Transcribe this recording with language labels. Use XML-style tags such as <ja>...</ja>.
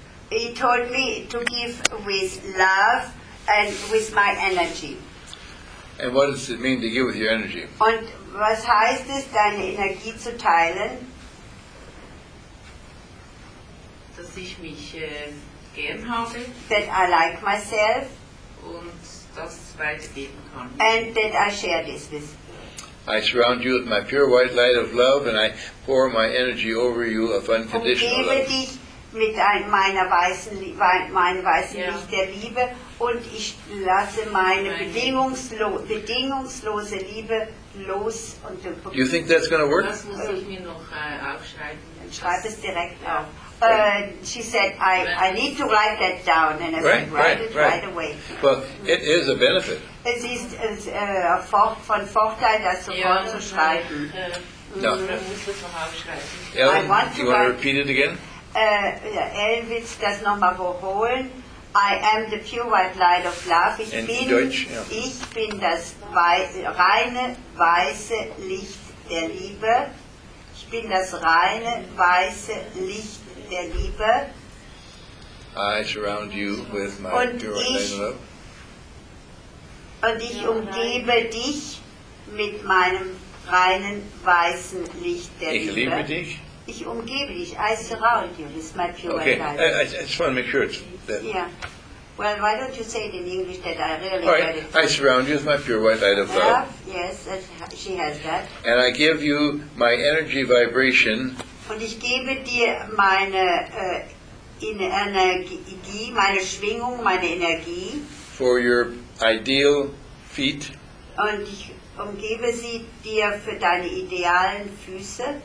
<en>He told me to give with love and with my energy. And what does it mean to give with your energy?</en> <de>Und was heißt es, deine Energie zu teilen? Dass ich mich gern habe.</de> <en>That I like myself.</en> <de>Und das weitergeben kann.</de> <en>And that I share this with. I surround you with my pure white light of love and I pour my energy over you of unconditional love.</en> <de>Ich umgebe dich mit meinem weißen Licht der Liebe und ich lasse meine bedingungslose Liebe los.</de> <en>Do you think that's going to work?</en> <de>Das muss ich mir noch aufschreiben. Schreib es direkt auf.</de> <en>She said, I need to write that down. And I said, write it away. Well, it is a benefit.</en> <de>Es ist von Vorteil, das sofort zu schreiben.</de> <en>No. Ellen, you want to repeat it again?</en> <de>Ellen will das nochmal wiederholen.</de> <en>I am the pure white light of love.</en> <de>Ich bin das reine weiße Licht der Liebe. Ich bin das reine weiße Licht der Liebe.</de> <en>I surround you with my pure light.</en> <de>Und ich umgebe dich mit meinem reinen weißen Licht der ich Liebe. Ich liebe dich. Ich umgebe dich.</de> <en>I surround you with my pure okay. light. Okay, I just want to make sure it's there. Yeah. Well, why don't you say it in English that I really all right. get it? I surround you with my pure white light of love. Yes, she has that. And I give you my energy vibration.</en> <de>Und ich gebe dir meine Energie, meine Schwingung, meine Energie.</de> <en>For your ideal feet.</en> <de>Und ich umgebe sie dir für deine idealen Füße.</de>